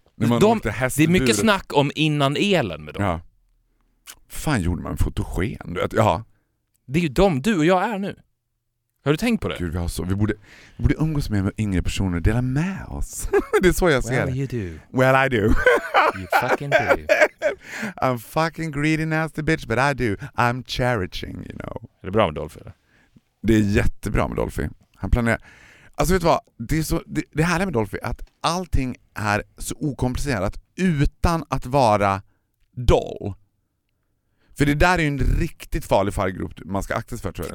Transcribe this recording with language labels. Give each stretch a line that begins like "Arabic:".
Swedish: när man åkte hästbur. Det är mycket snack om innan elen med dem. Ja. Fan, gjorde man fotogen? Du vet, ja. Det är ju dem du och jag är nu. Har du tänkt på det? Gud, vi har så. Vi borde umgås med yngre personer och dela med oss. Det är så jag ser.
English: Well, you do. Well, I do. You fucking do. I'm fucking greedy nasty bitch, but I do. I'm cherishing, you know.
Swedish: Är det bra med Dolphy? Det är jättebra med Dolphy. Han planerar... Alltså vet du vad, det här med Dolphy, att allting är så okomplicerat utan att vara doll. För det där är ju en riktigt farlig fargrupp man ska akta sig för, tror jag.